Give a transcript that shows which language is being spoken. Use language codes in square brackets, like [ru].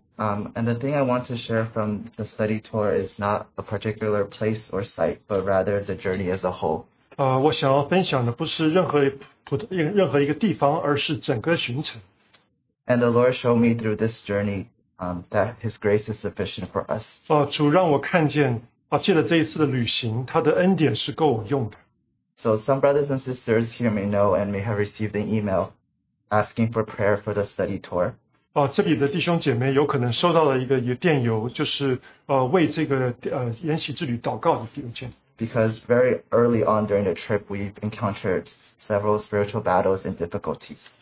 [en] And the thing I want to share from the study tour is not a particular place or site, but rather the journey as a whole. [zh] 我想要分享的不是任何一个地方,而是整个行程。 [en] And the Lord showed me through this journey that His grace is sufficient for us. [zh] 主让我看见,借着这一次的旅行,祂的恩典是够我用的。 [en] So some brothers and sisters here may know and may have received an email asking for prayer for the study tour. [zh] 这里的弟兄姐妹有可能收到了一个电邮,就是为这个研习之旅祷告的邮件。 [en] Because very early on during the trip, we've encountered several spiritual battles and difficulties.